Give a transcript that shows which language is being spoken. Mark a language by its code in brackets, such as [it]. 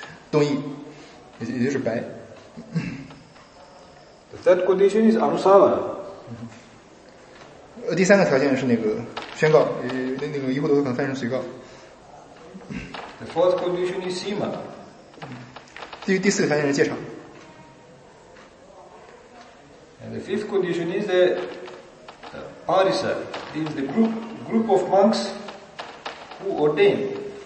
[zh] 那么第二个条件就是这个干嘛要有效？第二条件称为那个动意，也就是白。 [en] The third condition is anusavana. [zh] 第三个条件是那个宣告，那个一步多可能翻译成随告。 [en] The fourth condition is sima. [zh] 第四个条件是戒场。 [en] And the fifth condition is that Parisa is the group of monks who ordain.